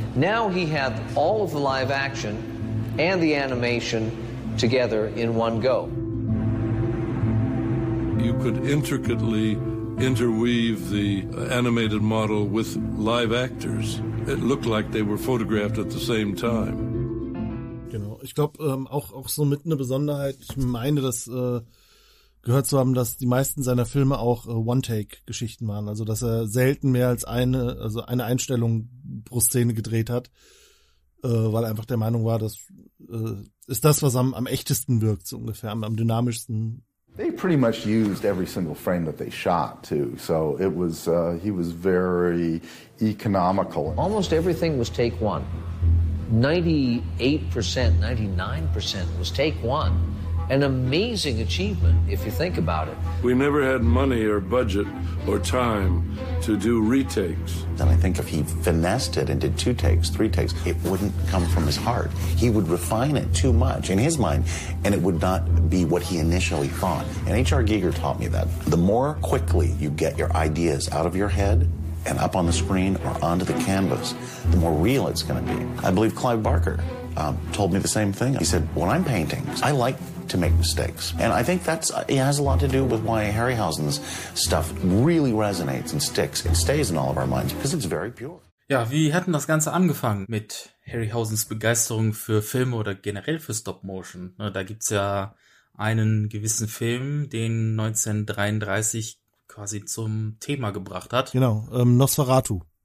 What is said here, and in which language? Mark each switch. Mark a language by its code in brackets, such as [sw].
[en] Now he had all of the live action and the animation together in one go. You could intricately interweave the animated model with live actors. It looked like they were photographed at the same time. [de] Genau. Ich glaube, auch so mit einer Besonderheit, ich meine, das gehört zu haben, dass die meisten seiner Filme auch One-Take-Geschichten waren. Also, dass er selten mehr als eine Einstellung pro Szene gedreht hat, weil er einfach der Meinung war, das ist das, was am echtesten wirkt, so ungefähr, am dynamischsten. [en] They pretty much used every single frame that they shot, too. So it was, he was very economical. Almost everything was take one. 98%, 99% was take one. An amazing achievement, if you think about it. We never had money or budget or time to do retakes. And I think if he finessed it and did two takes, three takes, it wouldn't come from his heart. He would refine it too much in his mind, and it would not be what he initially thought. And H.R. Giger taught me that. The more quickly you get your ideas out of your head and up on the screen or onto the canvas, the more real it's going to be. I believe Clive Barker told me the same thing. He said, when I'm painting, I like to make mistakes. And I think that's it has a lot to do with why Harryhausen's stuff really resonates and sticks and stays in all of our minds, because it's very pure. [de] Ja, wie hat denn das Ganze angefangen mit Harryhausens Begeisterung für Filme oder generell für Stop-Motion? Da gibt's ja einen gewissen Film, den 1933 quasi zum Thema gebracht hat. Genau, Nosferatu.